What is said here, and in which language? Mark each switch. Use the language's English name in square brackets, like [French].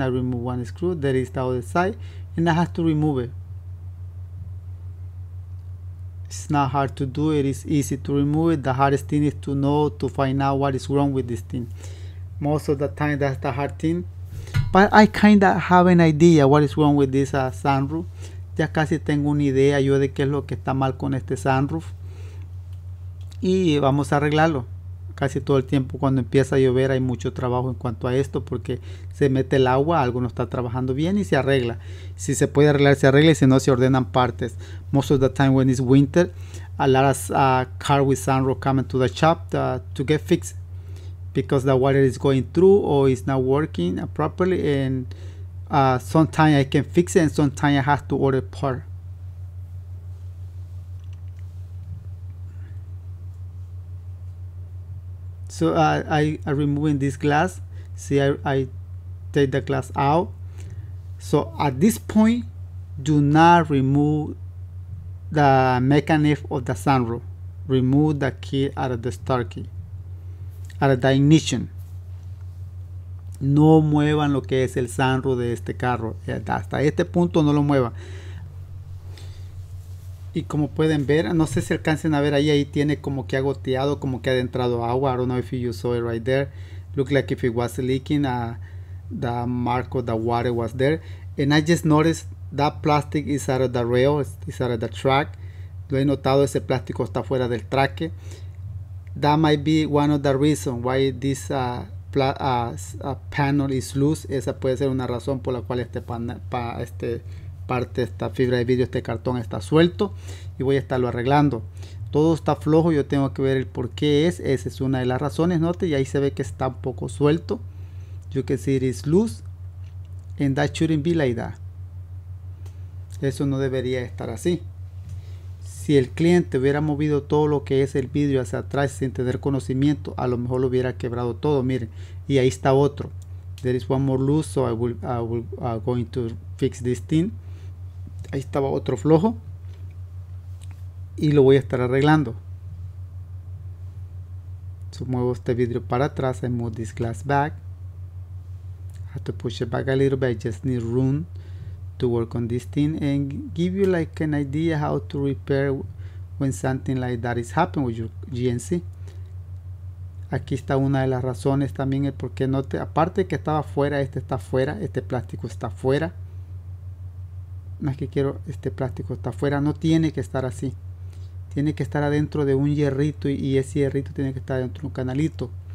[English] I remove one screw. There is the other side. And I have to remove it. It's not hard to do. It is easy to remove it. The hardest thing is to know, to find out what is wrong with this thing. Most of the time that's the hard thing. But I kind of have an idea what is wrong with this sunroof. [Spanish] Ya casi tengo una idea yo de qué es lo que está mal con este sunroof. Y vamos a arreglarlo. Casi todo el tiempo cuando empieza a llover hay mucho trabajo en cuanto a esto. Porque se mete el agua, algo no está trabajando bien y se arregla. Si se puede arreglar, se arregla y si no, se ordenan partes. [English] Most of the time when it's winter, a lot of car with sunroof coming to the shop to get fixed. Because the water is going through or it's not working properly and... sometimes I can fix it and sometimes I have to order part. So I'm removing this glass. See, I take the glass out. So at this point, do not remove the mechanism of the sunroof. Remove the key out of the start key, out of the ignition. [Spanish] No muevan lo que es el sunroof de este carro. Hasta este punto no lo muevan. Y como pueden ver, no sé si alcancen a ver ahí. Ahí tiene como que ha goteado, como que ha adentrado agua. [English] I don't know if you saw it right there. Look like if it was leaking, the mark of the water was there. And I just noticed that plastic is out of the rail. It's out of the track. [Spanish] Lo he notado, ese plástico está fuera del traque. [English] That might be one of the reasons why this panel is loose. [Spanish] Esa puede ser una razón por la cual esta fibra de vidrio, este cartón está suelto y voy a estarlo arreglando. Todo está flojo, yo tengo que ver el por qué es. Esa es una de las razones, note, y ahí se ve que está un poco suelto. [English] You can see it is loose. And that shouldn't be like that. [Spanish] Eso no debería estar así. Si el cliente hubiera movido todo lo que es el vidrio hacia atrás sin tener conocimiento, a lo mejor lo hubiera quebrado todo. Miren, y ahí está otro. [English] There is one more loose, so I will going to fix this thing. [Spanish] Ahí estaba otro flojo. Y lo voy a estar arreglando. [English] So, [Spanish] muevo este vidrio para atrás. [English] I move this glass back. I have to push it back a little bit. I just need room to work on this thing and give you like an idea how to repair when something like that is happening with your GNC. [Spanish] Aquí está una de las razones también, el por qué no te, aparte que estaba fuera, este está fuera, este plástico está fuera. Más que quiero, este plástico está fuera, no tiene que estar así. Tiene que estar adentro de un hierrito y ese hierrito tiene que estar dentro de un canalito.